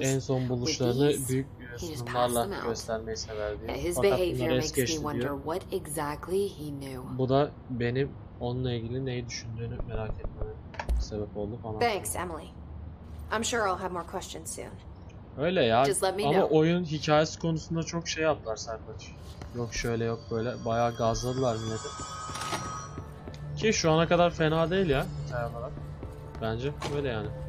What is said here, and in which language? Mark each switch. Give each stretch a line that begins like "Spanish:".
Turkish: En son buluşlarını büyük sunumlarla göstermeyi sever diyor.
English: His behavior makes me wonder what exactly he knew.
Turkish: Bu da benim onunla ilgili neyi düşündüğünü merak etmeme sebep oldu falan.
English: Thanks, Emily. I'm sure I'll have more questions soon.
Turkish: Öyle ya. Ama oyun hikayesi konusunda çok şey yaptılar Serpaç. Yok şöyle yok böyle. Bayağı gazladılar milleti. Ki şu ana kadar fena değil ya. Hikaye olarak. Bence böyle yani.